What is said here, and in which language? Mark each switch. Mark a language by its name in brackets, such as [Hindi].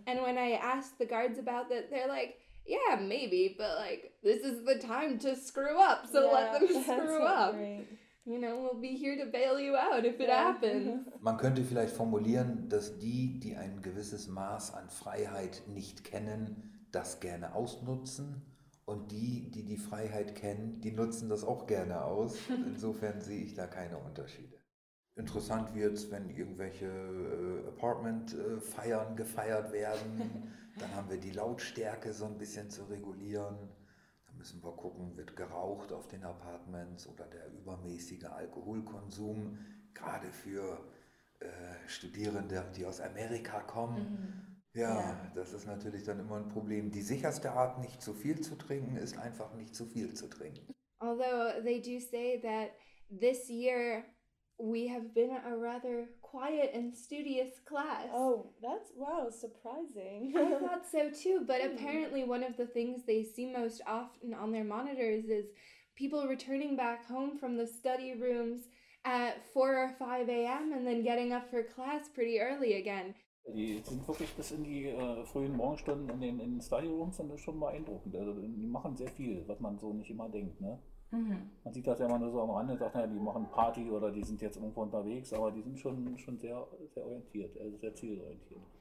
[English] And when I asked the guards about that, they're like, yeah, maybe, but like, this is the time to screw up, so yeah, let them screw up. Great. You know, we'll be here to bail you out if it happens. [German] Man könnte vielleicht formulieren, dass die, die ein gewisses Maß an Freiheit nicht kennen, das gerne ausnutzen, und die, die die Freiheit kennen, die nutzen das auch gerne aus. Insofern sehe ich da keine Unterschiede. Interessant wird es, wenn irgendwelche Apartment-Feiern gefeiert werden. Dann haben wir die Lautstärke so ein bisschen zu regulieren. Dann müssen wir gucken, wird geraucht auf den Apartments oder der übermäßige Alkoholkonsum. Gerade für Studierende, die aus Amerika kommen. Mhm. Ja, das ist natürlich dann immer ein Problem. Die sicherste Art, nicht zu viel zu trinken, ist einfach nicht zu viel zu trinken. [English] Although they do say that this year we have been a rather quiet and studious class. Oh, that's, wow, surprising. I thought so too, but apparently one of the things they see most often on their monitors is people returning back home from the study rooms at 4 or 5 a.m. and then getting up for class pretty early again. [German] Die sind wirklich bis in die frühen Morgenstunden in den Study Rooms, und das ist schon beeindruckend. Also, die machen sehr viel, was man so nicht immer denkt, ne? Mhm. Man sieht das ja immer nur so am Rande und sagt, naja, die machen Party oder die sind jetzt irgendwo unterwegs, aber die sind schon sehr, sehr orientiert, also sehr zielorientiert.